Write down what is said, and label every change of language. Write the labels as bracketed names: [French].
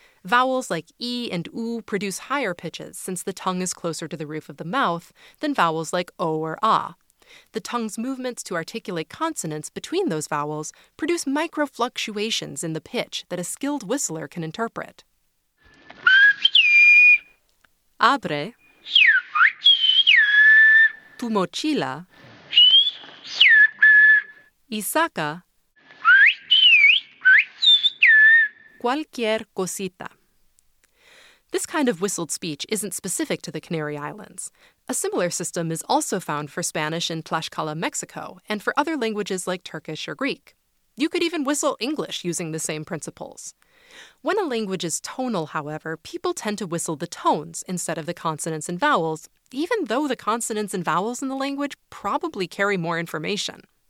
[English] Vowels like E and U produce higher pitches since the tongue is closer to the roof of the mouth than vowels like O or A. The tongue's movements to articulate consonants between those vowels produce microfluctuations in the pitch that a skilled whistler can interpret. [Spanish] Abre tu mochila y saca cualquier cosita. [English] This kind of whistled speech isn't specific to the Canary Islands. A similar system is also found for Spanish in Tlaxcala, Mexico, and for other languages like Turkish or Greek. You could even whistle English using the same principles. When a language is tonal, however, people tend to whistle the tones instead of the consonants and vowels, even though the consonants and vowels in the language probably carry more information.